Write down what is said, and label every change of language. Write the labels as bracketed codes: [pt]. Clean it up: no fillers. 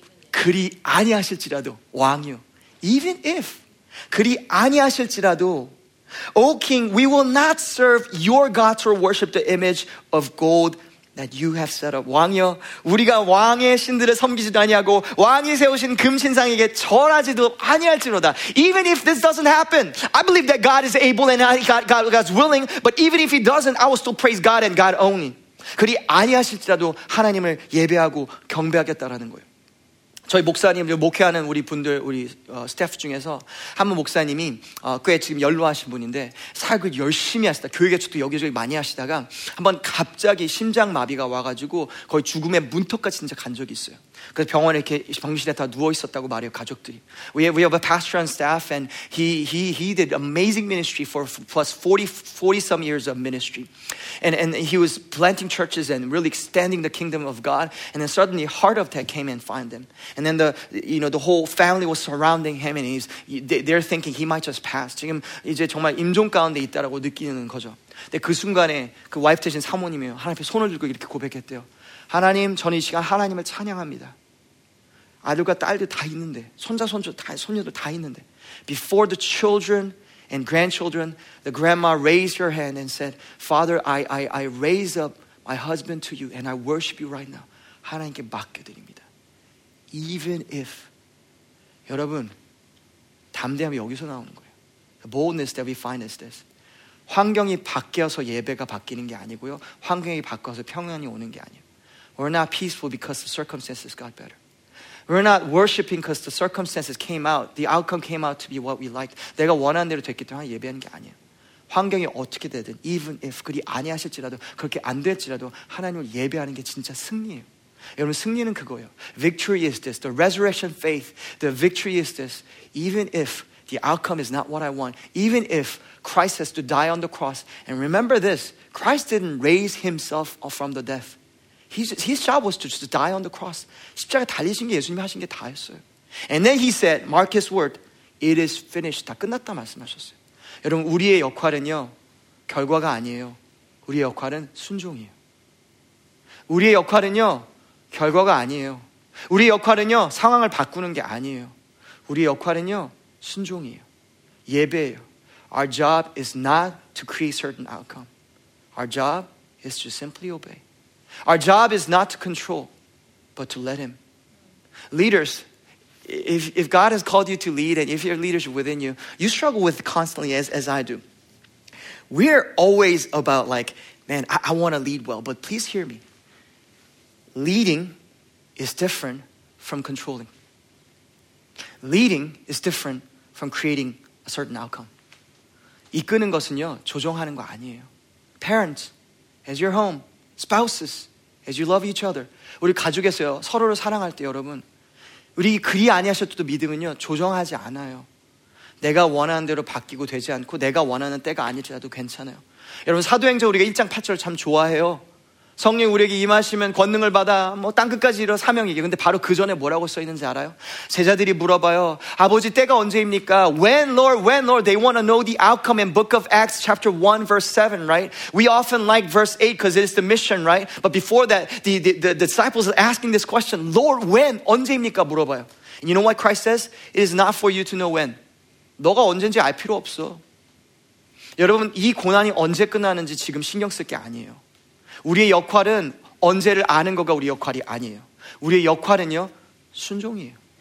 [ko] 그리 아니하실지라도 왕이요. [en] Even if, [ko] 그리 아니하실지라도, [en] O king, we will not serve your gods or worship the image of gold that you have set up. [ko] 왕이여, 우리가 왕의 신들을 섬기지도 아니하고 왕이 세우신 금신상에게 절하지도 아니할지로다. [en] Even if this doesn't happen, I believe that God is able and God's willing, but even if he doesn't, I will still praise God and God only. [ko] 그리 아니하실지라도 하나님을 예배하고 경배하겠다라는 거예요. 저희 목사님, 목회하는 우리 분들, 우리 스태프 중에서 한 분 목사님이 꽤 지금 연로하신 분인데 사역을 열심히 하시다, 교회 개척도 여기저기 많이 하시다가 한번 갑자기 심장마비가 와가지고 거의 죽음의 문턱까지 진짜 간 적이 있어요. 그래서 병원에 이렇게 병실에 다 누워있었다고 말해요, 가족들이. [en] We have a pastor on staff and he did amazing ministry for plus 40 some years of ministry. And he was planting churches and really extending the kingdom of God. And then suddenly heart attack came and find them. And then the whole family was surrounding him and they're thinking he might just pass. [ko] 지금 이제 정말 임종 가운데 있다라고 느끼는 거죠. 근데 그 순간에 그 와이프 대신 사모님이에요. 하나님 앞에 손을 들고 이렇게 고백했대요. 하나님, 저는 이 시간 하나님을 찬양합니다. 아들과 딸들 다 있는데, 손녀들 다 있는데. [en] Before the children and grandchildren, the grandma raised her hand and said, Father, I raise up my husband to you and I worship you right now. [ko] 하나님께 맡겨드립니다. [en] Even if, [ko] 여러분, 담대함이 여기서 나오는 거예요. [en] The boldness that we find is this. [ko] 환경이 바뀌어서 예배가 바뀌는 게 아니고요. 환경이 바뀌어서 평안이 오는 게 아니에요. [en] We're not peaceful because the circumstances got better. We're not worshiping because the circumstances came out. The outcome came out to be what we liked. [ko] 내가 원하는 대로 됐기 때문에 예배하는 게 아니에요. 환경이 어떻게 되든, [en] even if [ko] 그리 아니하실지라도, 그렇게 안 될지라도 하나님을 예배하는 게 진짜 승리예요. 여러분, 승리는 그거예요. [en] Victory is this. The resurrection faith, the victory is this. Even if the outcome is not what I want, even if Christ has to die on the cross, and remember this, Christ didn't raise himself from the death. His job was to just die on the cross. [ko] 십자가 달리신 게 예수님이 하신 게 다였어요. [en] And then he said, mark his word, it is finished. [ko] 다 끝났다 말씀하셨어요. 여러분, 우리의 역할은요, 결과가 아니에요. 우리의 역할은 순종이에요. 우리의 역할은요 결과가 아니에요. 우리의 역할은요 상황을 바꾸는 게 아니에요. 우리의 역할은요 순종이에요. 예배예요. [en] Our job is not to create certain outcome. Our job is to simply obey. Our job is not to control, but to let him. Leaders, if God has called you to lead, and if your leadership within you, you struggle with constantly as I do. We're always about like, man, I want to lead well, but please hear me. Leading is different from controlling. Leading is different from creating a certain outcome. [ko] 이끄는 것은요, 조종하는 거 아니에요. [en] Parents, as your home, spouses, as you love each other, [ko] 우리 가족에서요, 서로를 사랑할 때 여러분, 우리 그리 아니하셨어도 믿음은요, 조종하지 않아요. 내가 원하는 대로 바뀌고 되지 않고 내가 원하는 때가 아니더라도 괜찮아요. 여러분 사도행전 우리가 1장 8절 참 좋아해요. 성령이 우리에게 임하시면 권능을 받아 뭐 땅끝까지 이뤄 사명이게. 근데 바로 그 전에 뭐라고 써있는지 알아요? 제자들이 물어봐요. 아버지 때가 언제입니까? [en] When Lord, they want to know the outcome in Book of Acts chapter 1 verse 7, right? We often like verse 8 because it's the mission, right? But before that, the disciples are asking this question. Lord, when? [ko] 언제입니까? 물어봐요. [en] And you know what Christ says? It is not for you to know when. [ko] 너가 언제인지 알 필요 없어. 여러분 이 고난이 언제 끝나는지 지금 신경 쓸 게 아니에요. 우리의 역할은 언제를 아는 거가 우리 역할이 아니에요. 우리의 역할은요 순종이에요.